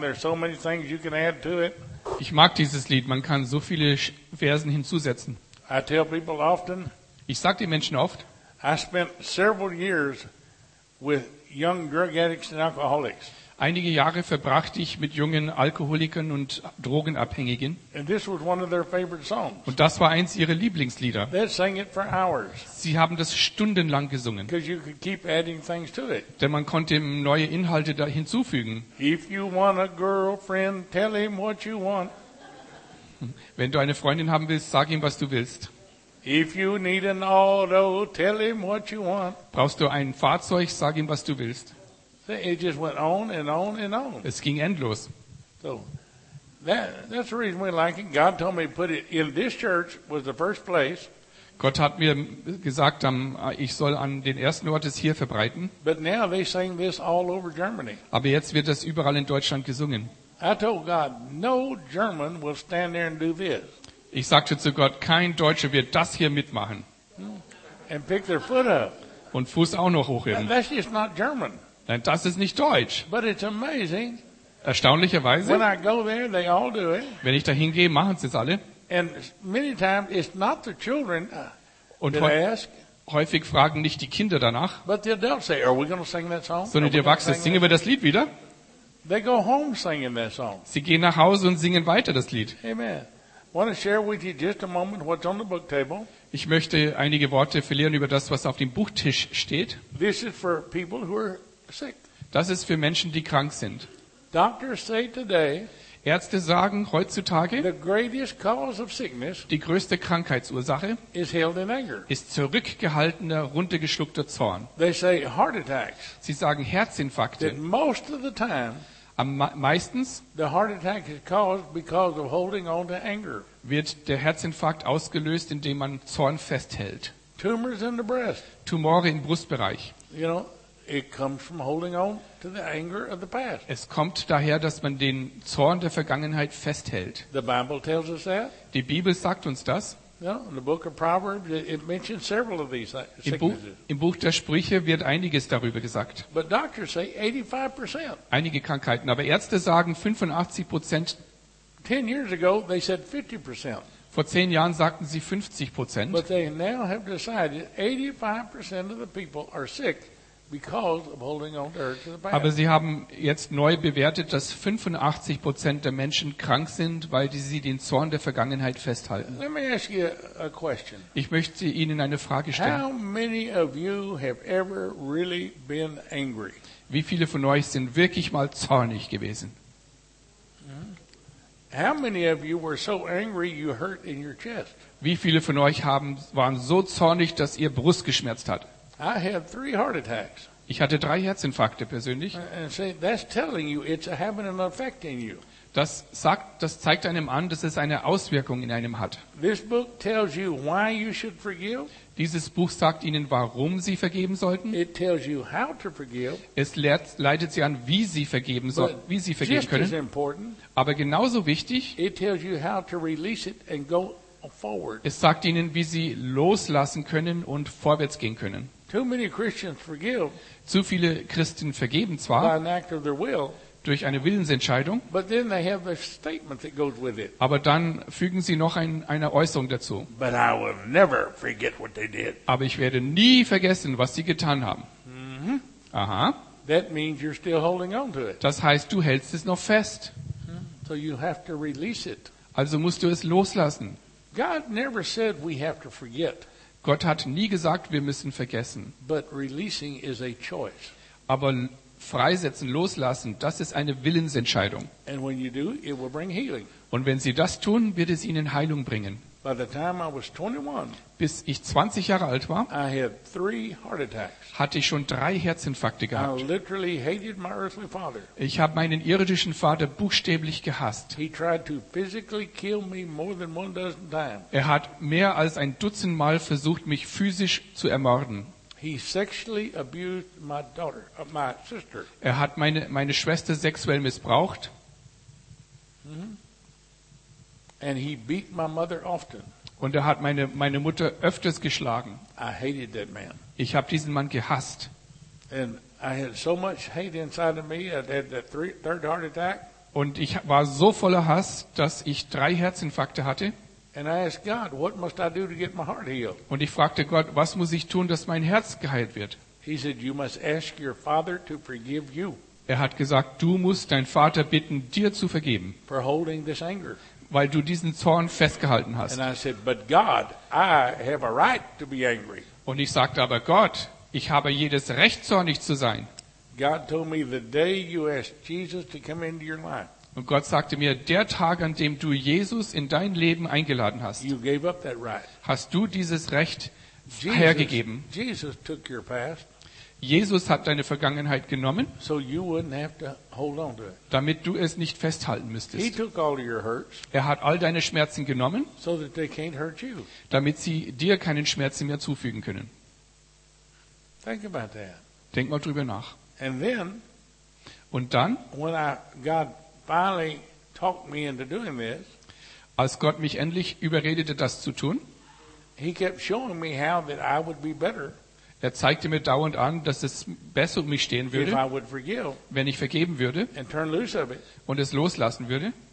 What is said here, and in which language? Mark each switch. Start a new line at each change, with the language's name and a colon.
English: There's so many things you can add to it.
German: Ich mag dieses Lied. Man kann so viele Versen hinzusetzen.
English: I tell people often.
German: Ich sag den Menschen oft.
English: I spent several years with young drug addicts and alcoholics.
German: Einige Jahre verbrachte ich mit jungen Alkoholikern und Drogenabhängigen.
English: And this was one of their favorite songs.
German: Und das war eins ihrer Lieblingslieder.
English: They sang it for hours.
German: Sie haben das stundenlang gesungen.
English: Because you could keep adding things to it.
German: Denn man konnte neue Inhalte da hinzufügen.
English: If you want a girlfriend, tell him what you want.
German: Wenn du eine Freundin haben willst, sag ihm, was du willst.
English: If you need an auto, tell him what you want.
German: Brauchst du ein Fahrzeug, sag ihm, was du willst.
English: It just went on and on and on.
German: Es ging endlos.
English: So, that's the reason we like it. God told me to put it in this church was the first place.
German: Gott hat mir gesagt, ich soll an den ersten Ort es hier verbreiten.
English: But now they sing this all over Germany.
German: Aber jetzt wird das überall in Deutschland gesungen.
English: I told God, no German will stand there and do this.
German: Ich sagte zu Gott, kein Deutscher wird das hier mitmachen.
English: And pick their foot up.
German: Und Fuß auch noch hochheben.
English: That's just not German.
German: Nein, das ist nicht Deutsch.
English: But it's amazing.
German: Erstaunlicherweise.
English: When I go there, they all do it.
German: Wenn ich da hingehe, machen sie es alle.
English: And many times it's not the children
German: und
English: that ask.
German: Häufig fragen nicht die Kinder danach.
English: But the adults say, "Are we going to sing that song?"
German: Sondern die Erwachsenen, singen wir das Lied wieder?
English: They go home singing that song.
German: Sie gehen nach Hause und singen weiter das Lied.
English: Amen. Want to share with you just a moment what's on the book table?
German: Ich möchte einige Worte verlieren über das, was auf dem Buchtisch steht.
English: This is for people who are sick.
German: Das ist für Menschen, die krank sind.
English: Doctors say today,
German: Ärzte sagen heutzutage,
English: the greatest cause of sickness,
German: die größte Krankheitsursache
English: is held in anger.
German: Ist zurückgehaltener, runtergeschluckter Zorn.
English: They say heart attacks,
German: sie sagen Herzinfarkte.
English: That most of the time,
German: meistens
English: the heart attack is caused because of holding on to anger.
German: Wird der Herzinfarkt ausgelöst, indem man Zorn festhält.
English: Tumors in the breast,
German: Tumore im Brustbereich.
English: You know, it comes from holding on to the anger of the past.
German: Es kommt daher, dass man den Zorn der Vergangenheit festhält.
English: The Bible tells us that.
German: Die Bibel sagt uns das.
English: Yeah, in the book of Proverbs, it mentions several of these sicknesses.
German: Im Buch der Sprüche wird einiges darüber gesagt.
English: But doctors say 85%.
German: Einige Krankheiten, aber Ärzte sagen 85%.
English: 10 years ago, they said 50%.
German: Vor 10 Jahren sagten sie 50%.
English: But they now have decided 85% of the people are sick. because of holding on to the bad.
German: Aber sie haben jetzt neu bewertet, dass 85% der Menschen krank sind, weil sie den Zorn der Vergangenheit festhalten.
English: Let me ask you a question.
German: Ich möchte Ihnen eine Frage stellen.
English: How many of you have ever really been angry?
German: Wie viele von euch sind wirklich mal zornig gewesen?
English: How many of you were so angry you hurt in your chest?
German: Wie viele von euch waren so zornig, dass ihr Brust geschmerzt hat?
English: I had three heart attacks.
German: Ich hatte drei Herzinfarkte persönlich.
English: That's telling you it's having an effect in you.
German: Das zeigt einem an, dass es eine Auswirkung in einem hat.
English: This book tells you why you should forgive.
German: Dieses Buch sagt Ihnen, warum Sie vergeben sollten.
English: It tells you how to forgive.
German: Es leitet Sie an, wie Sie vergeben sollen, wie Sie vergeben können.
English: Just as important,
German: aber genauso wichtig.
English: It tells you how to release it and go forward.
German: Es sagt Ihnen, wie Sie loslassen können und vorwärts gehen können.
English: Too many Christians forgive.
German: Zu viele Christen vergeben zwar.
English: By an act of their will.
German: Durch eine Willensentscheidung.
English: But then they have a statement that goes with it.
German: Aber dann fügen sie noch eine Äußerung dazu.
English: But I will never forget what they did.
German: Aber ich werde nie vergessen, was sie getan haben. Mm-hmm. Aha.
English: That means you're still holding on to it.
German: Das heißt, du hältst es noch fest.
English: So you have to release it.
German: Also musst du es loslassen.
English: God never said we have to forget.
German: Gott hat nie gesagt, wir müssen vergessen.
English: But releasing is a choice.
German: Aber freisetzen, loslassen, das ist eine Willensentscheidung.
English: And when you do, it will bring healing.
German: Und wenn Sie das tun, wird es Ihnen Heilung bringen.
English: By the time I was 21,
German: bis ich 20 Jahre alt war,
English: I had three heart attacks.
German: Hatte ich schon drei Herzinfarkte gehabt.
English: I literally hated my earthly father.
German: Ich habe meinen irdischen Vater buchstäblich gehasst.
English: He tried to physically kill me more than one dozen times.
German: Er hat mehr als ein Dutzend Mal versucht, mich physisch zu ermorden.
English: He sexually abused my daughter, my sister.
German: Er hat meine Schwester sexuell missbraucht.
English: Mm-hmm. And he beat my mother often.
German: Und er hat meine Mutter öfters geschlagen.
English: I hated that man.
German: Ich habe diesen Mann gehasst.
English: And I had so much hate inside of me. I had that third heart attack.
German: Und ich war so voller Hass, dass ich drei Herzinfarkte hatte.
English: And I asked God, what must I do to get my heart healed?
German: Und ich fragte Gott, was muss ich tun, dass mein Herz geheilt wird?
English: He said, you must ask your father to forgive you.
German: Er hat gesagt, du musst deinen Vater bitten, dir zu vergeben.
English: For holding this anger.
German: Weil du diesen Zorn festgehalten hast.
English: And I said, but God, I have a right to be angry.
German: Und ich sagte, aber Gott, ich habe jedes Recht, zornig zu sein.
English: God told me the day you asked Jesus to come into your life.
German: Und Gott sagte mir, der Tag, an dem du Jesus in dein Leben eingeladen hast,
English: you gave up that right.
German: Hast du dieses Recht hergegeben.
English: Jesus took your past.
German: Jesus hat deine Vergangenheit genommen,
English: so you wouldn't have to hold on to it.
German: Damit du es nicht festhalten müsstest.
English: He took all your hurts,
German: er hat all deine Schmerzen genommen,
English: so that they can't hurt you.
German: Damit sie dir keinen Schmerzen mehr zufügen können.
English: Think about that.
German: Denk mal drüber nach.
English: And then,
German: und dann,
English: when God finally talked me into doing this,
German: als Gott mich endlich überredete, das zu tun,
English: he kept showing me how that I would be better.
German: Er zeigte mir dauernd an, dass es besser um mich stehen würde,
English: forgive,
German: wenn ich vergeben würde und es loslassen würde.